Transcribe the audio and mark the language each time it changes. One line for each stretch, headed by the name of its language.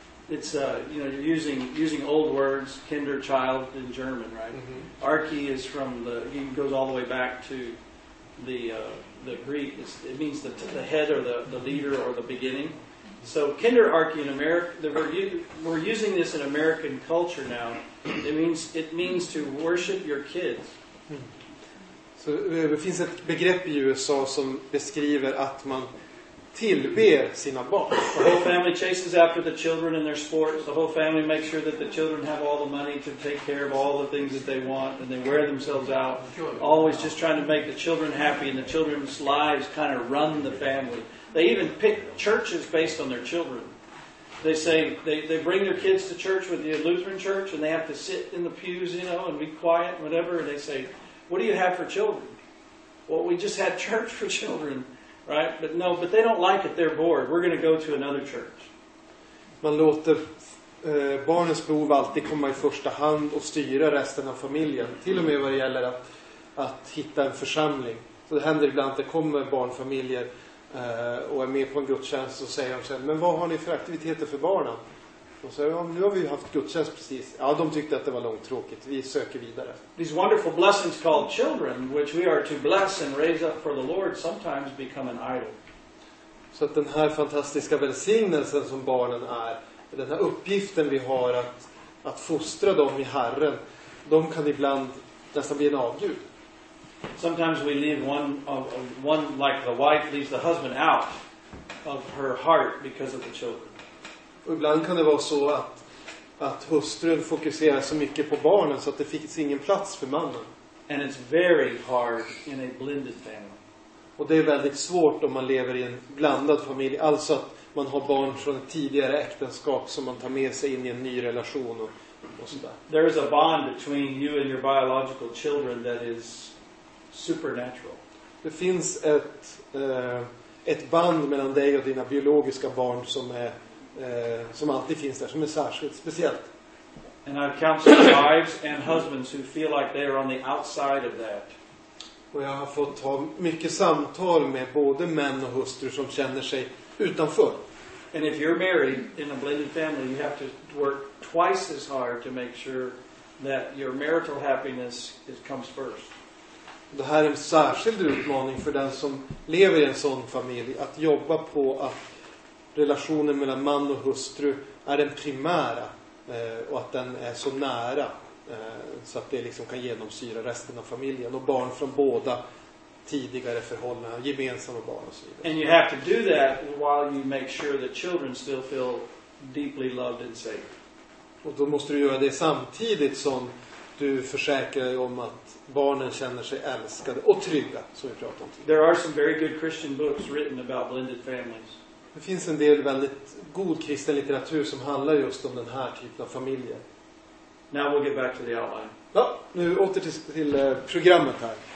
English: It's you know, you're using old words, kinder, child in German, right? Mm-hmm. Archi is from goes all the way back to the Greek. It means the head or the leader or the beginning. So kinderarchy in America, we're using this in American culture now. It means to worship your kids.
Swedish: Så det finns ett begrepp i USA som beskriver att man tillber sina barn.
English: The whole family chases after the children and their sports. The whole family makes sure that the children have all the money to take care of all the things that they want, and they wear themselves out. Always just trying to make the children happy, and the children's lives kind of run the family. They even pick churches based on their children. They say they bring their kids to church with the Lutheran church, and they have to sit in the pews, you know, and be quiet, and whatever. And they say, "What do you have for children?" Well, we just had church for children, right? But no, but they don't like it. They're bored. We're going to go to another church.
Swedish: Man låter barnens behov alltid komma i första hand och styra resten av familjen. Till och med vad det gäller att hitta en församling. Så det händer ibland att det kommer barnfamiljer och är med på en gudstjänst och säger de sen, men vad har ni för aktiviteter för barnen? Och så säger de, nu har vi haft gudstjänst precis. Ja, de tyckte att det var långt tråkigt. Vi söker vidare.
English: These wonderful blessings called children, which we are to bless and raise up for the Lord, sometimes become an idol.
Swedish: Så att den här fantastiska välsignelsen som barnen är, den här uppgiften vi har att fostra dem i Herren, de kan ibland nästan bli en avgud.
English: Sometimes we leave one like the wife leaves the husband out of her heart because of the children.
Swedish: Och ibland kan det vara så att hustrun fokuserar så mycket på barnen så att det finns ingen plats för mannen.
English: And it's very hard in a blended family.
Swedish: Och det är väldigt svårt om man lever i en blandad familj, alltså att man har barn från ett tidigare äktenskap som man tar med sig in i en ny relation och så där.
English: There is a bond between you and your biological children that is supernatural.
Swedish: Det finns ett band mellan dig och dina biologiska barn som alltid finns där, som är särskilt, speciellt.
English: And I've counseled wives and husbands who feel like they are on the outside of that.
Swedish: Och jag har fått ha mycket samtal med både män och hustrur som känner sig utanför.
English: And if you're married in a blended family, you have to work twice as hard to make sure that your marital happiness comes first.
Swedish: Det här är en särskild utmaning för den som lever i en sån familj, att jobba på att relationen mellan man och hustru är den primära och att den är så nära så att det liksom kan genomsyra resten av familjen och barn från båda tidigare förhållanden, gemensamma barn och så vidare.
English: And you have to do that while you make sure the children still feel deeply loved and safe.
Swedish: Och då måste du göra det samtidigt som du försäkrar dig om att barnen känner sig älskade och trygga, som vi pratade om tidigare.
English: There are some very good Christian books written about blended families.
Swedish: Det finns en del väldigt god kristen litteratur som handlar just om den här typen av familjer.
English: Now we'll get back to the outline.
Swedish: Ja, nu åter till programmet här.